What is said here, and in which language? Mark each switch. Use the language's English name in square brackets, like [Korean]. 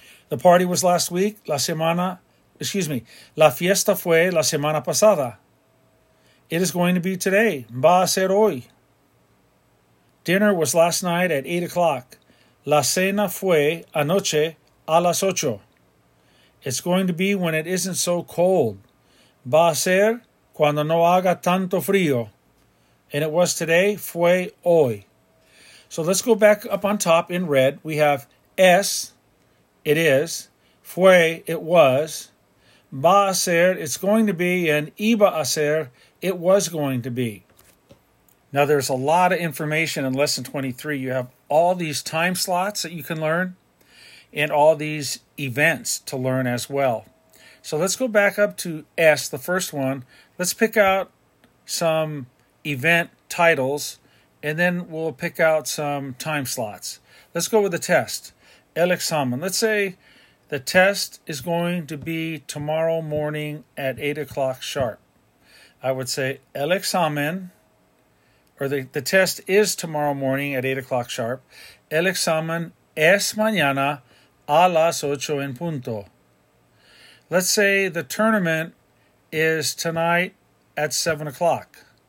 [English] The party was last week. [Spanish] La fiesta fue la semana pasada. [English] It is going to be today. [Spanish] Va a ser hoy. [English] Dinner was last night at 8 o'clock. [Spanish] La cena fue anoche a las 8. [English] It's going to be when it isn't so cold. [Spanish] Va a ser cuando no haga tanto frío. [English] And it was today. [Spanish] Fue hoy. [English] So let's go back up on top in red. We have es, it is, fue, it was, [Spanish] va a ser, [English] it's going to be, and [Spanish] iba a ser, [English] it was going to be. Now, there's a lot of information in Lesson 23. You have all these time slots that you can learn and all these events to learn as well. So let's go back up to S, the first one. Let's pick out some event titles, and then we'll pick out some time slots. Let's go with the test. El examen. Let's say the test is going to be tomorrow morning at 8 o'clock sharp. I would say el examen. Or the test is tomorrow morning at 8 o'clock sharp. [Spanish] El examen es mañana a las 8 en punto. [English] Let's say the tournament is tonight at 7 o'clock.